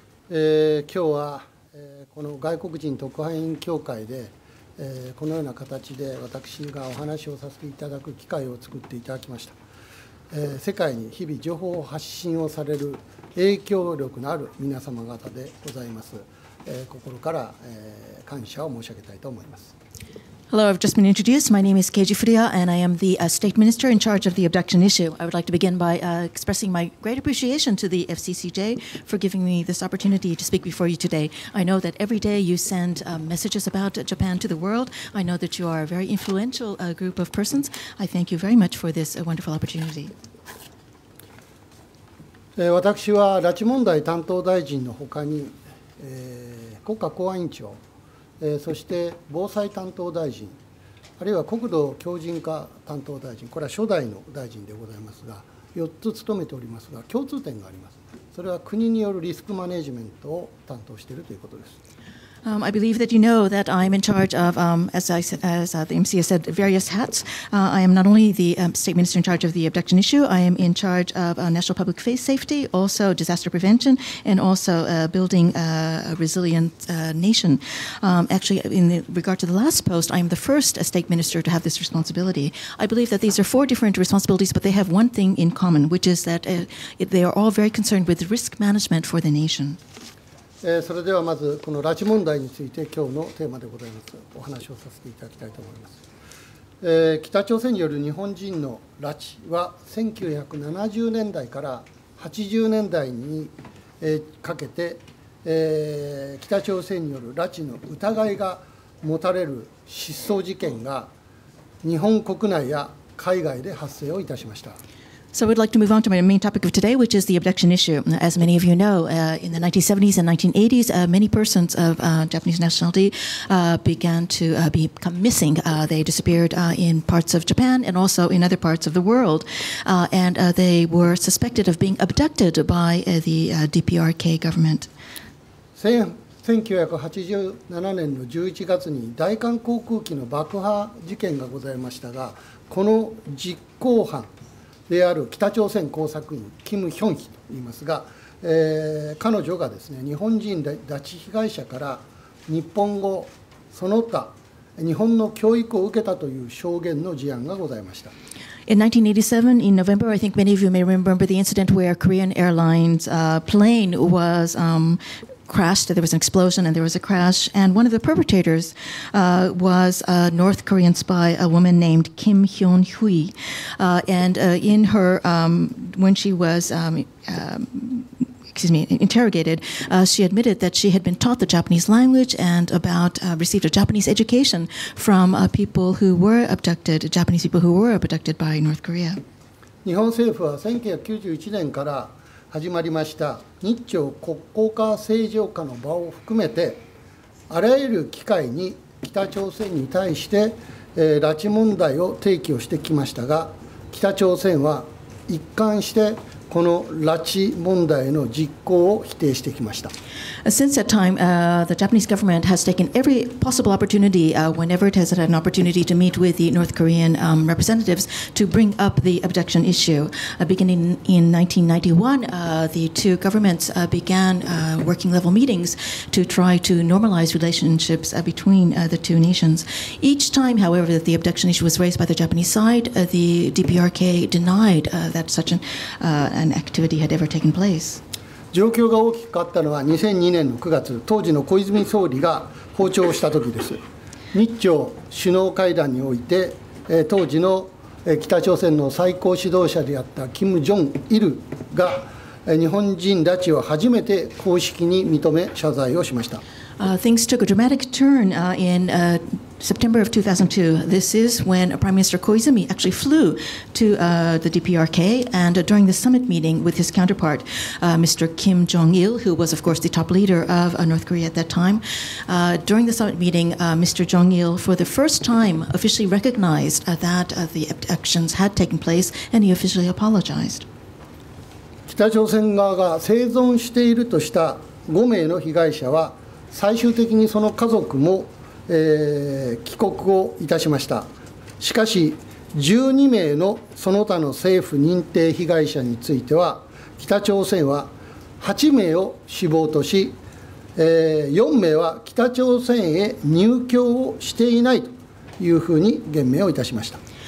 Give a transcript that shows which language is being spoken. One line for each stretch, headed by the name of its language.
Japanese: 今日はこの外国人特派員協会でこのような形で私がお話をさせていただく機会を作っていただきました。世界に日々情報を発信をされる影響力のある皆様方でございます。心から感謝を申し上げたいと思います。
English: Hello, I've just been introduced. My name is Keiji Furuya, and I am the state minister in charge of the abduction issue. I would like to begin by expressing my great appreciation to the FCCJ for giving me this opportunity to speak before you today. I know that every day you send messages about Japan to the world. I know that you are a very influential group of persons. I thank you very much for this wonderful opportunity.
Japanese: 私は拉致問題担当大臣のほかに、国家公安委員長、そして防災担当大臣、あるいは国土強靭化担当大臣、これは初代の大臣でございますが、4つ務めておりますが、共通点があります。それは国によるリスクマネジメントを担当しているということです。
English: I believe that you know that I'm in charge of, the MC has said, various hats. I am not only the state minister in charge of the abduction issue, I am in charge of national public face safety, also disaster prevention, and also building a resilient nation. Actually, in regard to the last post, I am the first state minister to have this responsibility. I believe that these are four different responsibilities, but they have one thing in common, which is that they are all very concerned with risk management for the nation.
Japanese: それではまずこの拉致問題について今日のテーマでございます。お話をさせていただきたいと思います。北朝鮮による日本人の拉致は1970年代から80年代にかけて、北朝鮮による拉致の疑いが持たれる失踪事件が日本国内や海外で発生をいたしました。
English: So I would like to move on to my main topic of today, which is the abduction issue. As many of you know, in the 1970s and 1980s, many persons of Japanese nationality began to become missing. They disappeared in parts of Japan and also in other parts of the world. And they were suspected of being abducted by the DPRK government.
Japanese: 1987年の11月に大韓航空機の爆破事件がございましたが、この実行犯である北朝鮮工作員キム・ヒョンヒと言いますが、彼女がですね、日本人拉致被害者から日本語その他日本の教育を受けたという証言の事案がございました。
English: In 1987, in November, I think many of you may remember the incident where Korean Airlines plane was crashed. There was an explosion and there was a crash, and one of the perpetrators was a North Korean spy, a woman named Kim Hyun Hui. Interrogated, she admitted that she had been taught the Japanese language and received a Japanese education from people who were abducted, Japanese people who were abducted by North Korea.
Japanese: 日本政府は1991年から始まりました日朝国交化正常化の場を含めてあらゆる機会に北朝鮮に対して、拉致問題を提起をしてきましたが、北朝鮮は一貫してこの拉致問題の実行を否定してきました。
English: Since that time, the Japanese government has taken every possible opportunity, whenever it has had an opportunity to meet with the North Korean representatives, to bring up the abduction issue. Beginning in 1991, the two governments began working level meetings to try to normalize relationships between the two nations. Each time, however, that the abduction issue was raised by the Japanese side, the DPRK denied that such an activity had ever taken place.
Japanese: 状況が大きく変わったのは2002年の9月、当時の小泉総理が訪朝したときです。日朝首脳会談において、当時の北朝鮮の最高指導者であったキム・ジョン・イルが、日本人拉致を初めて公式に認め、謝罪をしました。
English: Things took a dramatic turn in September of 2002. This is when Prime Minister Koizumi actually flew to the DPRK, and during the summit meeting with his counterpart, Mr. Kim Jong-il, who was of course the top leader of North Korea at that time. During the summit meeting, Mr. Jong-il for the first time officially recognized that the abductions had taken place, and he officially apologized.
Japanese: 北朝鮮側が生存しているとした5名の被害者は最終的にその家族も、帰国をいたしました。しかし12名のその他の政府認定被害者については北朝鮮は8名を死亡とし、4名は北朝鮮へ入境をしていないというふうに言明をいたしました。